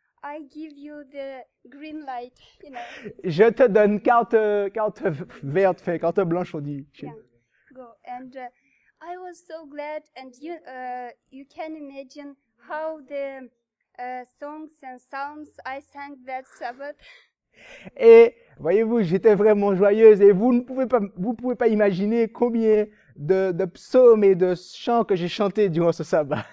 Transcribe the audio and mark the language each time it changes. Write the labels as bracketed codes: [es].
[en] I give you the green light, you know. [fr] Je te donne carte verte, enfin, carte blanche, on dit. [en] Yeah. Go. And I was so glad, and you can imagine how the songs and sounds I sang that Sabbath. [fr] Et voyez-vous, j'étais vraiment joyeuse, et vous ne pouvez pas imaginer combien de psaumes et de chants que j'ai chantés durant ce sabbat.